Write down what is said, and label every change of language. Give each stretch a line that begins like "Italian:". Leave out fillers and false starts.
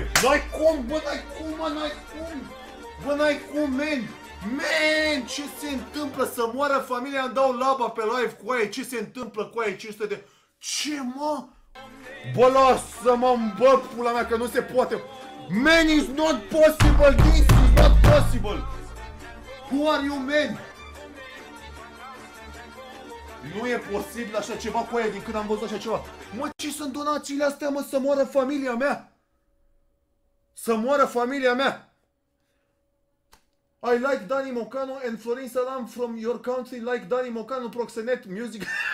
Romanian: n-ai cum, bă, n-ai cum, mă, n-ai cum. Bă, n-ai cum, man. Man, ce se întâmplă? Să moară familia, îmi dau laba pe live cu aia. Ce se întâmplă cu aia? 500 de... Ce, mă? Bă, lasă-mă, bă, pula mea, că nu se poate.
English: Man, it's not possible, this is not possible. Who are you, man?
Romanian: Nu e posibil așa ceva cu aia din când am văzut așa ceva. Mă, ce sunt donațiile astea, mă, să moară familia mea? Să moară familia mea?
English: I like Dani Mocanu and Florin Salam from your country, like Dani Mocanu, Proxenet, music.